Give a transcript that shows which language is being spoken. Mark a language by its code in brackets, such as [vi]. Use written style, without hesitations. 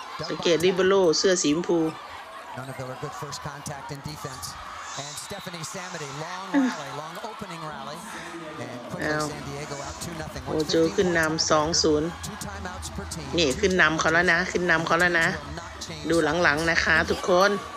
[th] สังเกตดิบโลเสื้อสีชมพู [en] None of them are good first contact in defense. And Stephanie Samity, long rally, long opening rally. And quickly San Diego out 2-0. [th] โอ้โจขึ้นนำ 2-0. นี่ขึ้นนำเขาแล้วนะขึ้นนำเขาแล้วนะดูหลังๆนะคะทุกคน